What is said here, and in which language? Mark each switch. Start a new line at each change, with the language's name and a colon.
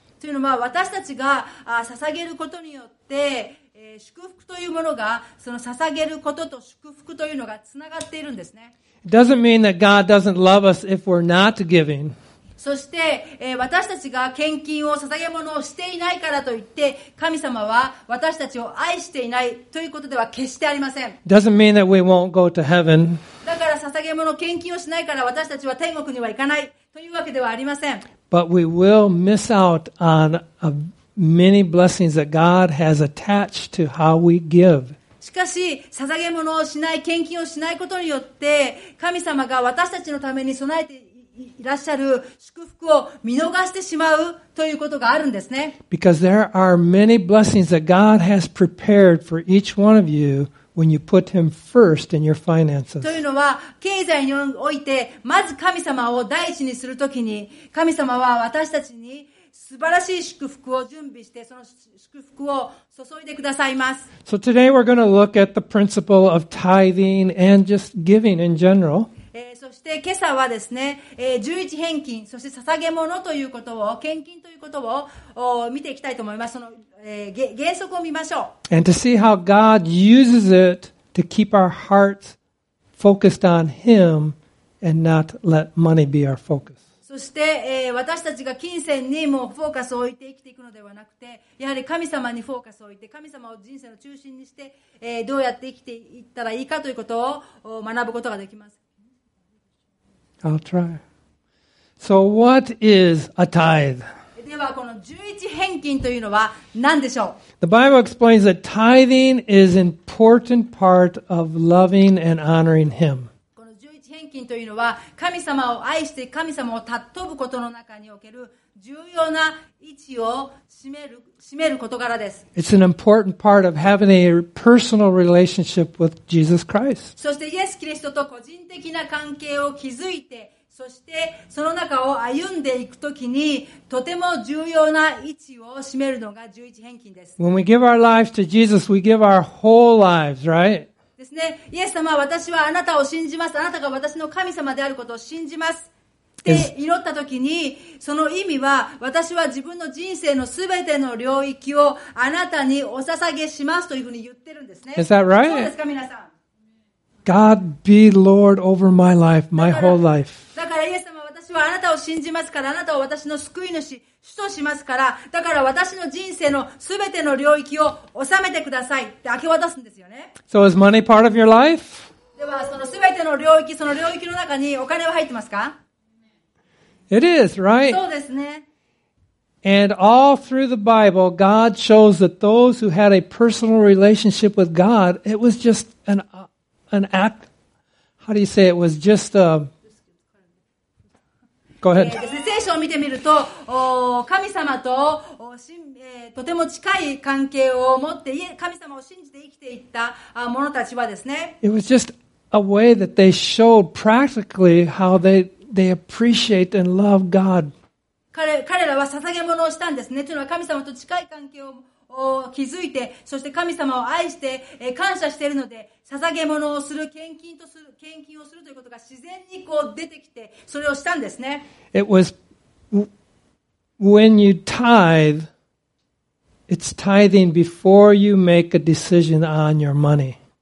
Japanese: というのは、私たちが捧げることによって、祝福というものが、その捧げることと祝福というのがつながっているんですね。
English: It doesn't mean that God doesn't love us if we're not giving.
Japanese: そして、私たちが献金を捧げ物をしていないからといって神様は私たちを愛していないということでは決してありません。
English: Doesn't mean that we won't go to heaven.
Japanese: だから捧げ物献金をしないから私たちは天国には行かないというわけではありません。
English: But we will miss out on many blessings that God has attached to how we give.
Japanese: しかし、捧げ物をしない、献金をしないことによって神様が私たちのために備えていらっしゃる祝福を見逃してしまうということがあるんですね。
English: Because there are many blessings that God has prepared for each one of you when you put him first in your finances.
Japanese: というのは経済においてまず神様を第一にするときに、神様は私たちに素晴らしい祝福を準備して、その祝福を注いでくださいます。
English: So today we're going to look at the principle of tithing and just giving in general.
Japanese: そして今朝はですね、11返金、そして捧げ物ということを、献金ということを見ていきたいと思います。その、原則を見ましょう。
English: And to see how God uses it to keep our hearts focused on Him and not let money be our focus.
Japanese: そして、私たちが金銭にもフォーカスを置いて生きていくのではなくて、やはり神様にフォーカスを置いて、神様を人生の中心にして、どうやって生きていったらいいかということを学ぶことができます。
English: I'll try. So what is a tithe?
Japanese: ではこの11返金というのは何でしょう?
English: The Bible explains that tithing is an important part of loving and honoring Him.
Japanese: 献金というのは神様を愛して神様を尊ぶことの中における重要な位置を占める事柄です。
English: It's an important part of having a personal relationship with Jesus Christ.
Japanese: そしてイエス・キリストと個人的な関係を築いて、そしてその中を歩んでいくときにとても重要な位置を占めるのが十一献金です。
English: When we give our lives to Jesus, we give our whole lives, right?
Japanese: ですね、イエス様は私はあなたを信じます、あなたが私の神様であることを信じますって祈ったときに、その意味は私は自分の人生のすべての領域をあなたにお捧げしますというふうに言ってるんですね。
English: Is that right?
Japanese: そうですか、皆さん。
English: God be Lord over my life, my whole life.
Japanese: だからイエス様、私はあなたを信じますから、あなたを私の救い主、主としますから、だから私の人生のすべての領域を収めてくださいって明け渡すんですよね。
English: So is money part of your life?
Japanese: では、そのすべての領域、その領域の中にお金は入ってますか?
English: It is, right?
Japanese: そうですね。
English: And all through the Bible, God shows that those who had a personal relationship with God, it was just an act, how do you say it, was just a... Go ahead.
Japanese: 聖書を見てみると、神様と、とても近い関係を持って、神様を信じて生きていった者たちはですね。
English: It was just a way that they showed practically how they appreciate and love God.
Japanese: 彼らは捧げ物をしたんですね。というのは神様と近い関係を築いて、そして神様を愛して、感謝しているので、捧げ物をする、献金をするということが自然にこう出てきて、それをしたんですね。
English: It was when you tithe, it's tithing before you make a decision on your money.